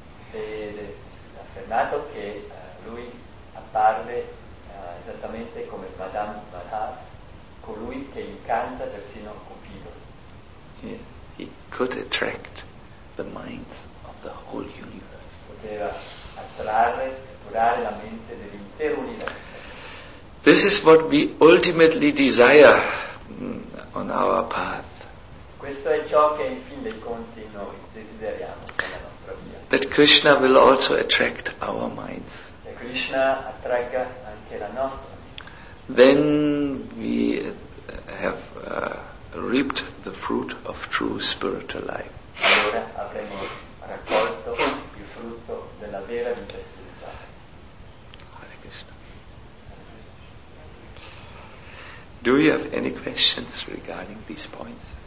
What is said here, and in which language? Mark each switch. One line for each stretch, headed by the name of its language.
Italian: Ed è affermato che lui apparve esattamente come Madan Mata. Colui che incanta persino Cupido.
English: Yeah, he could attract the minds of the whole universe.
Italian: Poteva attrarre, catturare la mente dell'intero universo.
English: This is what we ultimately desire on our path.
Italian: Questo è ciò che in fin dei conti noi desideriamo nella nostra via.
English: That Krishna will also attract our minds.
Italian: Che Krishna attragga anche la nostra.
English: Then we have reaped the fruit of true spiritual life.
Italian: Allora avremo raccolto il frutto della vera vita spirituale.
English: Hare Krishna. Do you have any questions regarding these points?